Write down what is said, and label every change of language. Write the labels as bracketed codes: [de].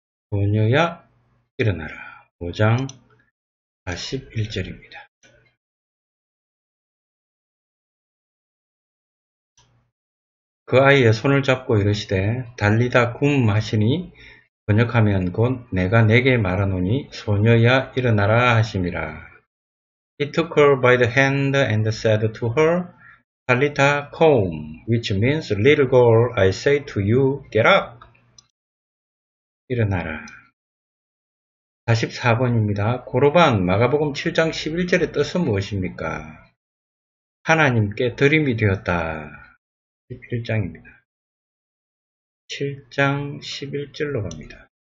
[ko] 소녀야 일어나라. 5장 41절입니다. 그 아이의 손을 잡고 이르시되, 달리다 굶 하시니 번역하면 곧 내가 내게 말하노니 소녀야 일어나라 하심이라. [en] He took her by the hand and said to her, "Talita kum," which means, "Little girl, I say to you, get up." [ko] 일어나라. 44번입니다. 고로반 마가복음 7장 11절의 뜻은 무엇입니까? 하나님께 드림이 되었다. 11장입니다. 7장 11절로 갑니다.